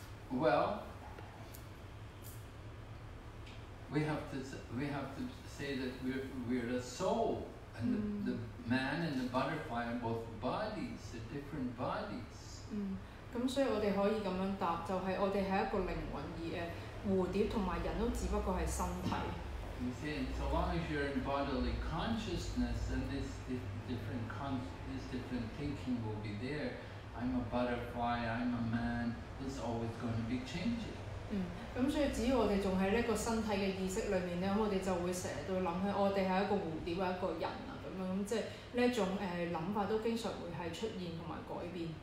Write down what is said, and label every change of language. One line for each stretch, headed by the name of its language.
English: Well, we have to say that we're a soul, and the man and the butterfly are both bodies, they're different bodies.
Cantonese: 咁所以我哋可以咁樣答，就係我哋係一個靈魂而 蝴蝶同埋人都只不過係身體。
English: You see, so long as you're in bodily consciousness, then this different thinking will be there. I'm a butterfly. I'm a man. It's always going to be changing.
Cantonese: 咁所以只要我哋仲喺呢個身體嘅意識裏面咧，我哋就會成日都諗起我哋係一個蝴蝶或一個人啊咁樣，咁即係呢一種諗法都經常會係出現同埋改變。